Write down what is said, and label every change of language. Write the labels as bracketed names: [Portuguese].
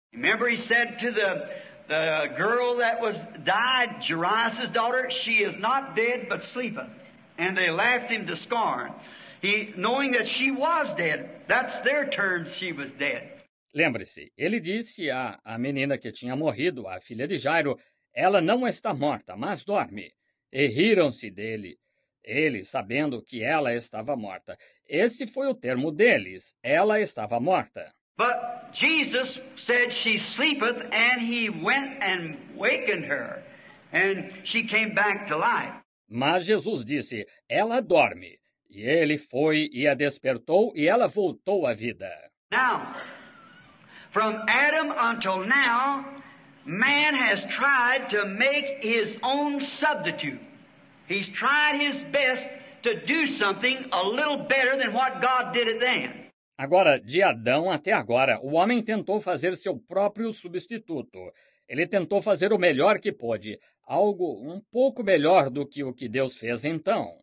[English] Remember, he said to the girl that was died, Jairus' daughter, she is not dead, but sleeping. And they laughed him to scorn. He, knowing that she was dead, that's their terms, she was dead. [Portuguese] Lembre-se, ele disse à menina que tinha morrido, a filha de Jairo, ela não está morta, mas dorme. E riram-se dele, ele sabendo que ela estava morta. Esse foi o termo deles, ela estava morta. [English] But Jesus said she sleepeth, and he went and wakened her, and she came back to life. [Portuguese] Mas Jesus disse, ela dorme. E ele foi e a despertou, e ela voltou à vida. [English] Now, from Adam until now, man has tried to make his own substitute. He's tried his best to do something a little better than what God did it then. [Portuguese] Agora, de Adão até agora, o homem tentou fazer seu próprio substituto. Ele tentou fazer o melhor que pôde, algo um pouco melhor do que o que Deus fez então.